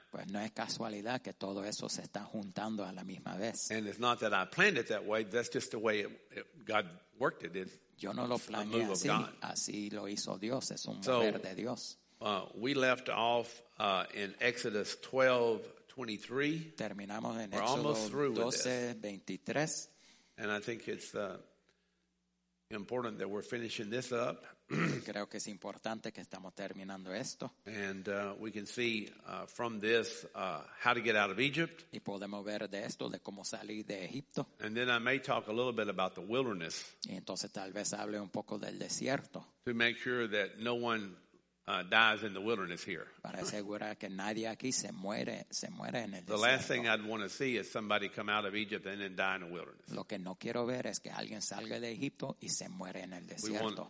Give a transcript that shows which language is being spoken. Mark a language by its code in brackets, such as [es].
[es] Pues no es casualidad que todo eso se está juntando a la misma vez. [en] And it's not that I planned it that way. That's just the way God worked it. It's, [es] yo no lo planeé, [en] a move [es] así, [en] of God. [es] Así lo hizo Dios. Es un mover de Dios. [en] We left off in Exodus 12:23. [es] Terminamos en Éxodo 12:23. [en] And I think it's important that we're finishing this up. [es] Creo que es importante que estamos terminando esto. [en] And we can see from this how to get out of Egypt. [es] Y podemos ver de esto de cómo salir de Egipto. [en] And then I may talk a little bit about the wilderness. [es] Y entonces tal vez hable un poco del desierto. [en] To make sure that no one dies in the wilderness here. [es] Para asegurar que nadie aquí se muere en el desierto. [en] The last thing I'd want to see is somebody come out of Egypt and then die in the wilderness. [es] Lo que no quiero ver es que alguien salga de Egipto y se muere en el desierto.